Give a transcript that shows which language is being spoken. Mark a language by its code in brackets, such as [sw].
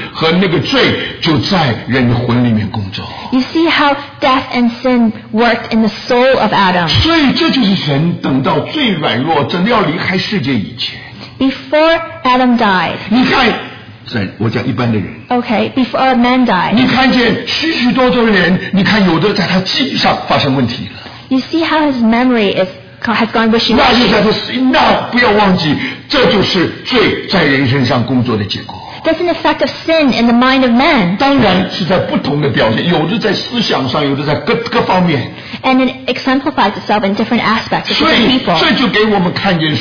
[zh] 慢慢的，那个死和那个罪就在人的魂里面工作。 [en] You see how death and sin worked in the soul of Adam. [zh] 所以这就是神等到最软弱，真的要离开世界以前。 [en] Before Adam died. [zh] 你看，我讲一般的人。 [en] Okay, before a man died. [zh] 你看见许许多多的人，你看有的在他记忆上发生问题了。 [en] You see how his memory is. Has gone wishing. [zh] 那不要忘记，这就是罪在人身上工作的结果。 [en] That's an effect of sin in the mind of man. [zh] 当然是在不同的表现，有的在思想上，有的在各方面。 [en] And it exemplifies itself in different aspects of different people.